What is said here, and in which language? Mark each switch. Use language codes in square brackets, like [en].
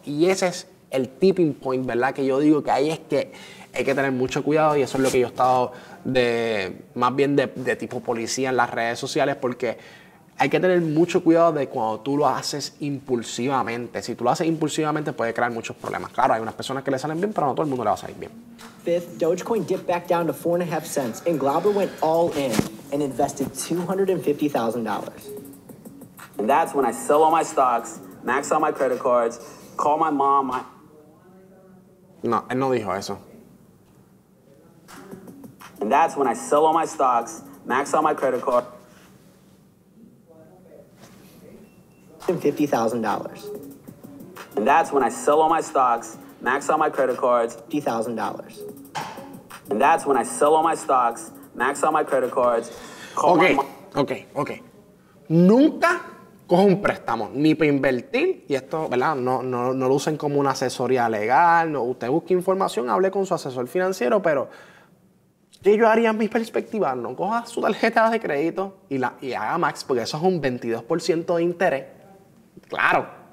[es] Y ese es el tipping point, ¿verdad? Que yo digo que ahí es que hay que tener mucho cuidado y eso es lo que yo he estado más bien de tipo policía en las redes sociales, porque hay que tener mucho cuidado de cuando tú lo haces impulsivamente. Si tú lo haces impulsivamente, puede crear muchos problemas. Claro, hay unas personas que le salen bien, pero no todo el mundo le va a salir bien. [en] Fifth, Dogecoin dipped back down to 4.5 cents and Glauber went all in and invested $250,000. And that's when I sell all my stocks, max out my credit cards, call my mom, my... [es] No, él no dijo eso. [en] And that's when I sell all my stocks, max out my credit card... $50,000. And that's when I sell all my stocks, max out my credit cards... $50,000. And that's when I sell all my stocks, max out my credit cards, call okay. my mom... [es] Okay, okay, okay. Nunca... Coge un préstamo, ni para invertir, y esto, ¿verdad? No lo usen como una asesoría legal, no, usted busque información, hable con su asesor financiero, pero ¿qué yo haría en mi perspectiva? No coja su tarjeta de crédito y haga max, porque eso es un 22% de interés, claro,